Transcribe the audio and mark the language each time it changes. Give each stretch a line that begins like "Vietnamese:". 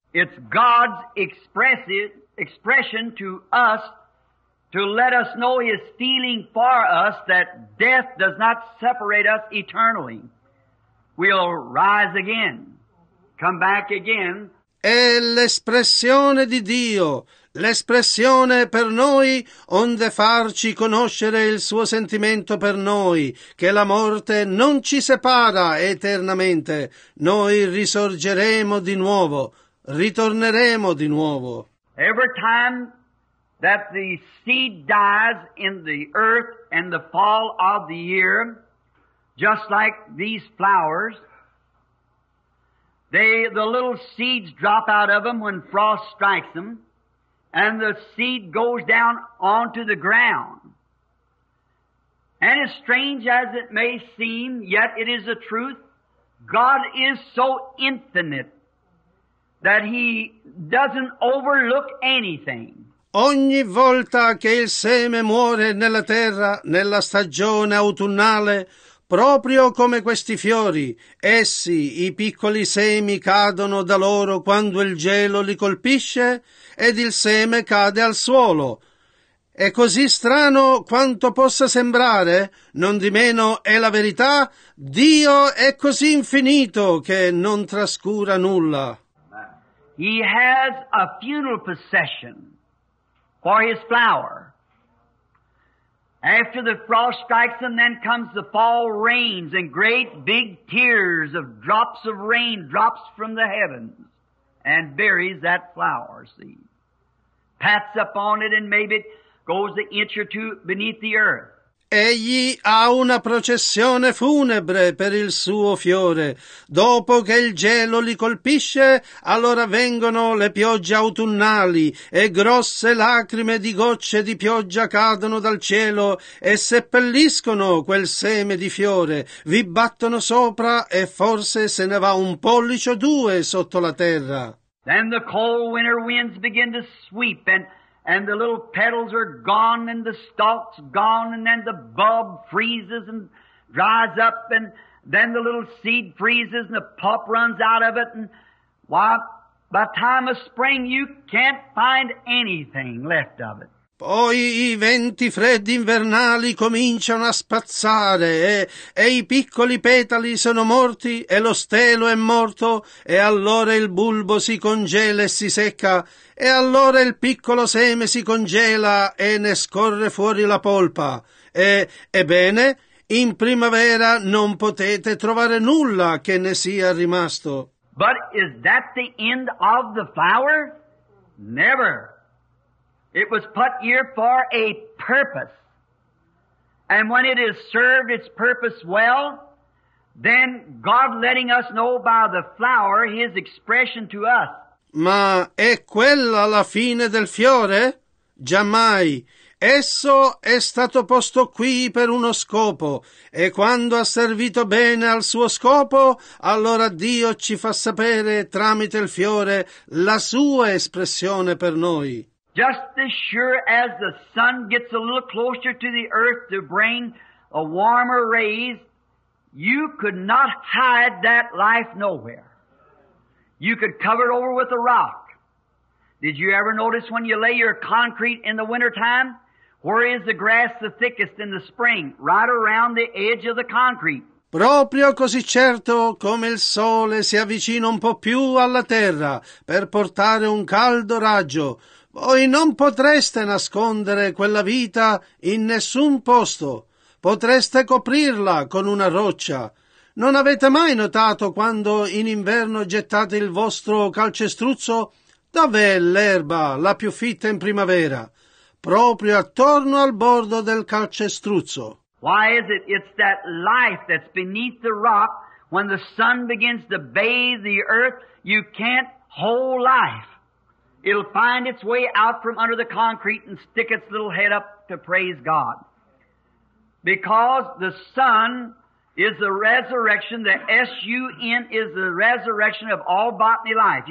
English: It's God's expression to us to let us know His feeling for us, that death does not separate us eternally. We'll rise again, come back again.
Italian: È l'espressione di Dio, l'espressione per noi onde farci conoscere il suo sentimento per noi, che la morte non ci separa eternamente. Noi risorgeremo di nuovo, ritorneremo di nuovo.
English: Every time that the seed dies in the earth and the fall of the year, Just like these flowers, the little seeds drop out of them when frost strikes them, and the seed goes down onto the ground. And as strange as it may seem, yet it is the truth, God is so infinite that He doesn't overlook anything.
Italian: Ogni volta che il seme muore nella terra, nella stagione autunnale, proprio come questi fiori, essi, i piccoli semi, cadono da loro quando il gelo li colpisce ed il seme cade al suolo. È così strano quanto possa sembrare, non di meno è la verità, Dio è così infinito che non trascura nulla.
English: He has a funeral procession for his flower. After the frost strikes them, then comes the fall rains and great big tears of drops of rain drops from the heavens and buries that flower seed. Pats upon it and maybe it goes an inch or two beneath the earth.
Italian: Egli ha una processione funebre per il suo fiore. Dopo che il gelo li colpisce, allora vengono le piogge autunnali e grosse lacrime di gocce di pioggia cadono dal cielo e seppelliscono quel seme di fiore. Vi battono sopra e forse se ne va un pollice o due sotto la terra.
English: Then the cold winter winds begin to sweep and the little petals are gone and the stalks gone and then the bulb freezes and dries up and then the little seed freezes and the pulp runs out of it. And why, by time of spring you can't find anything left of it.
Italian: Poi i venti freddi invernali cominciano a spazzare e i piccoli petali sono morti e lo stelo è morto e allora il bulbo si congela e si secca e allora il piccolo seme si congela e ne scorre fuori la polpa. Ebbene, in primavera non potete trovare nulla che ne sia rimasto.
English: But is that the end of the flower? Never. It was put here for a purpose. And when it has served its purpose well, then God letting us know by the flower His expression to us.
Italian: Ma è quella la fine del fiore? Giammai. Esso è stato posto qui per uno scopo, e quando ha servito bene al suo scopo, allora Dio ci fa sapere tramite il fiore la sua espressione per noi.
English: Just as sure as the sun gets a little closer to the earth to bring a warmer rays, you could not hide that life nowhere. You could cover it over with a rock. Did you ever notice when you lay your concrete in the wintertime? Where is the grass the thickest in the spring? Right around the edge of the concrete.
Italian: Proprio così certo come il sole si avvicina un po' più alla terra per portare un caldo raggio, voi non potreste nascondere quella vita in nessun posto. Potreste coprirla con una roccia. Non avete mai notato quando in inverno gettate il vostro calcestruzzo? Dov'è l'erba la più fitta in primavera? Proprio attorno al bordo del calcestruzzo.
English: Why is it? It's that life that's beneath the rock. When the sun begins to bathe the earth, you can't hold life. It'll find its way out from under the concrete and stick its little head up to praise God. Because the sun is the resurrection, the S-U-N is the resurrection of all botany life.